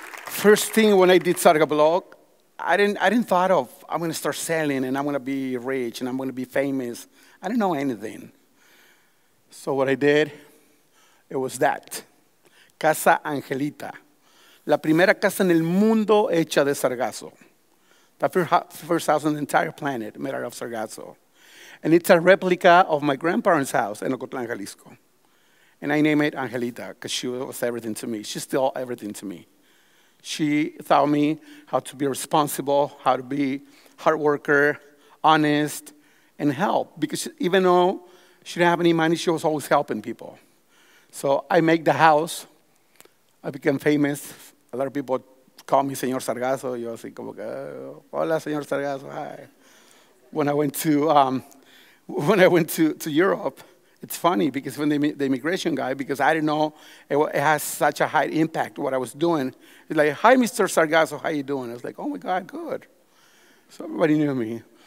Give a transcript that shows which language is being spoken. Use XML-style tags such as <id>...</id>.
<en>First thing when I did sargablock, I didn't thought of, I'm going to start selling and I'm going to be rich and I'm going to be famous. I didn't know anything. So what I did, it was that. Casa Angelita.</en> <es>La primera casa en el mundo hecha de sargazo.</es> <en>The first house on the entire planet made out of sargazo. And it's a replica of my grandparents' house in Ocotlán, Jalisco. And I named it Angelita because she was everything to me. She's still everything to me. She taught me how to be responsible, how to be hard worker, honest, and help. Because even though she didn't have any money, she was always helping people. So I make the house. I became famous. A lot of people call me Señor Sargazo.</en> <es>Yo así como que, hola, Señor Sargazo, hi.</es> <en>When I went to when I went to Europe, it's funny because when the immigration guy, because I didn't know it has such a high impact what I was doing. He's like, hi, Mr. Sargazo, how you doing? I was like, oh my God, good. So everybody knew me.</en>